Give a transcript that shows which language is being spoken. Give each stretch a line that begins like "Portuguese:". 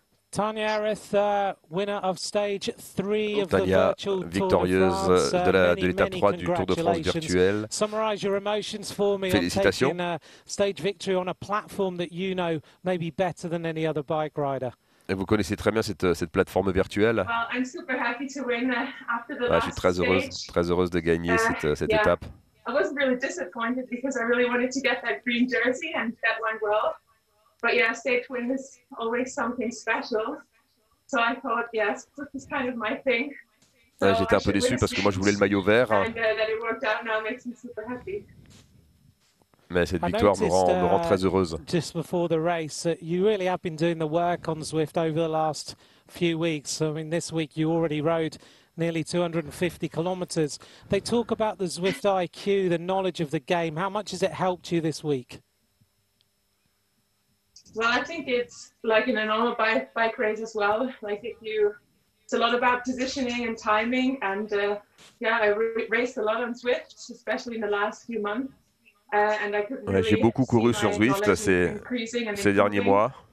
English: Tania Erhard, winner of stage 3 of the Tania, virtual Tour de France.
French: Victorieuse de l'étape 3 du Tour de France virtuel.
English: Summarize your emotions for me.
French: Félicitations.
English: On taking a stage victory on a platform that you know maybe better than any other bike rider.
French: Et vous connaissez très bien cette plateforme virtuelle.
English: Well, I'm super happy to win after the last
French: stage. Je suis très heureuse de gagner cette
English: yeah,
French: étape.
English: I was really disappointed because I really wanted to get that green jersey and that one world. But yeah, stage win is always something special. So I thought, yes, this is kind of my thing.
French: So ah, j'étais un peu déçu parce que moi je voulais le maillot vert.
English: And that it worked out now makes me super happy.
French: Mais cette victoire me rend très heureuse.
English: Just before the race, you really have been doing the work on Zwift over the last few weeks. I mean, this week you already rode nearly 250 kilometers. They talk about the Zwift IQ, the knowledge of the game. How much has it helped you this week? Well, I think it's like in a normal bike race as well. Like it's a lot about positioning and timing. And I raced a lot on Zwift, especially in the last few months.
French: Ouais, j'ai beaucoup couru sur Zwift ces derniers mois.